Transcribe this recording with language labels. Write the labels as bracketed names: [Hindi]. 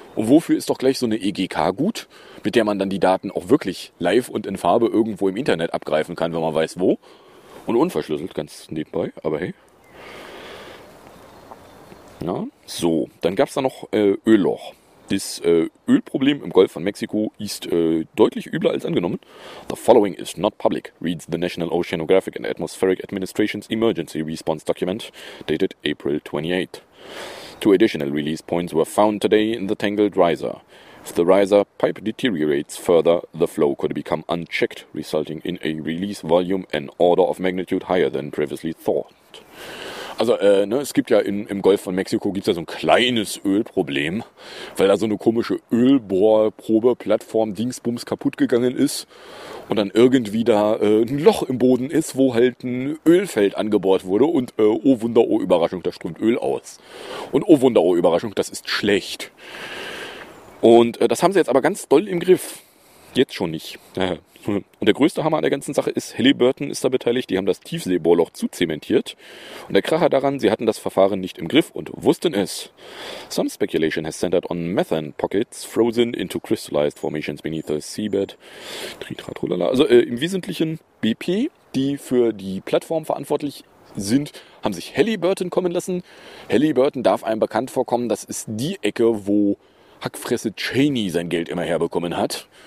[German] Und wofür ist doch gleich so eine EGK gut, mit der man dann die Daten auch wirklich live und in Farbe irgendwo im Internet abgreifen kann, wenn man weiß wo? Und unverschlüsselt, ganz nebenbei, aber hey. Ja, so, dann gab es da noch Ölloch. Das Ölproblem im Golf von Mexiko ist deutlich übler als angenommen. [English] The following is not public, reads the National Oceanographic and Atmospheric Administration's Emergency Response Document, dated April 28. Two additional release points were found today in the tangled riser. If the riser pipe deteriorates further, the flow could become unchecked, resulting in a release volume an order of magnitude higher than previously thought. [German] Also, es gibt ja im Golf von Mexiko gibt's ja so ein kleines Ölproblem, weil da so eine komische Ölbohrprobe-Plattform-Dingsbums kaputt gegangen ist und dann irgendwie da ein Loch im Boden ist, wo halt ein Ölfeld angebohrt wurde und oh Wunder, oh Überraschung, da strömt Öl aus. Und oh Wunder, oh Überraschung, das ist schlecht. Und das haben sie jetzt aber ganz doll im Griff. Jetzt schon nicht. Und der größte Hammer an der ganzen Sache ist, Halliburton ist da beteiligt, die haben das Tiefseebohrloch zuzementiert. Und der Kracher daran, sie hatten das Verfahren nicht im Griff und wussten es. [English] Some speculation has centered on methane pockets frozen into crystallized formations beneath the seabed. [German] Tritratrolala. Also im Wesentlichen BP, die für die Plattform verantwortlich sind, haben sich Halliburton kommen lassen. Halliburton darf einem bekannt vorkommen, das ist die Ecke, wo Hackfresse Cheney sein Geld immer herbekommen hat.